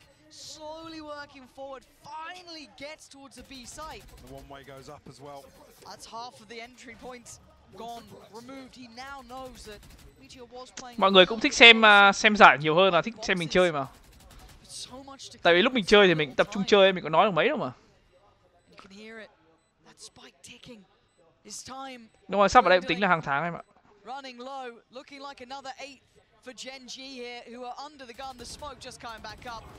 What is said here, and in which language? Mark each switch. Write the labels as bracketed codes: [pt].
[en] Slowly working forward, finally gets towards the B site. The one way goes up as well. That's half of the entry points gone, removed. He now knows that Meteor was playing. [vi] Mọi người cũng thích xem giải nhiều hơn là thích xem mình chơi mà. Tại vì lúc mình chơi thì mình tập trung chơi, mình có nói được mấy đâu mà. [en] You can hear it. That spike ticking. It's time. [vi] Đúng rồi, sắp ở đây cũng tính là hàng tháng em ạ. [en] Running low, looking like another 8th. For Gen.G here, who are under the gun, the smoke just coming back up.